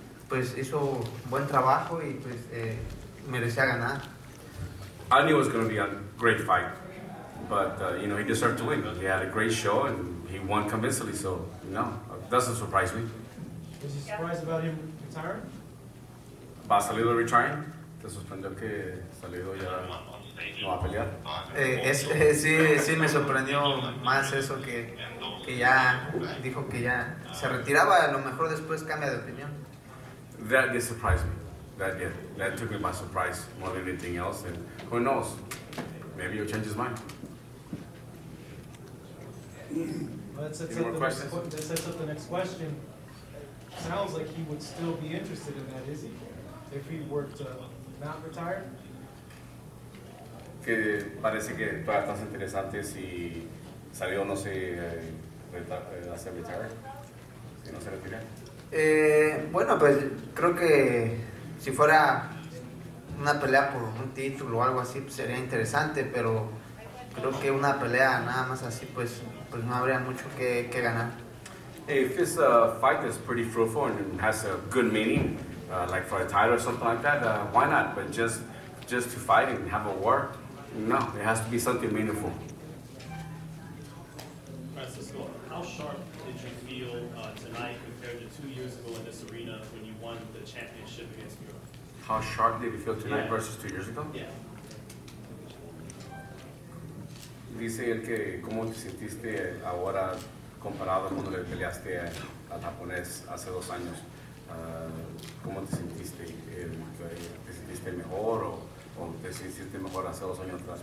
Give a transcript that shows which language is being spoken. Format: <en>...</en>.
<es>Pues hizo buen trabajo y pues merecía ganar.</es> <en>I knew it was going to be a great fight, but you know, he deserved to win. He had a great show and he won convincingly, so no, it doesn't surprise me. Was he surprised about him retiring? About Salido retiring? ¿Te sorprendió que Salido ya no va a pelear? Sí, me sorprendió más eso que ya dijo que ya se retiraba. A lo mejor después cambia de opinión. That did surprise me. That took me by surprise more than anything else. And who knows? Maybe he'll change his mind. Well, that sets up the next question. It sounds like he would still be interested in that, is he? If he worked not retired?</en> <es>Que parece que todavía estás interesante si Salido no se hace retirar, si no se retira. Bueno, pues creo que si fuera una pelea por un título o algo así, pues sería interesante, pero creo que una pelea nada más así, pues no habría mucho que ganar.</es> <en>If it's a fight that's pretty fruitful and has a good meaning, like for a title or something like that, why not? But just to fight and have a war? No, it has to be something meaningful. Francisco, how sharp did you feel tonight compared to 2 years ago in this arena when you won the championship against Europe? How sharp did you feel tonight versus 2 years ago? Yeah.</en> <es>Dice el que, ¿cómo te sentiste ahora comparado con cuando le peleaste al japonés hace 2 años? ¿Cómo te sentiste? ¿Te sentiste mejor o te sentiste mejor hace 2 años atrás?</es>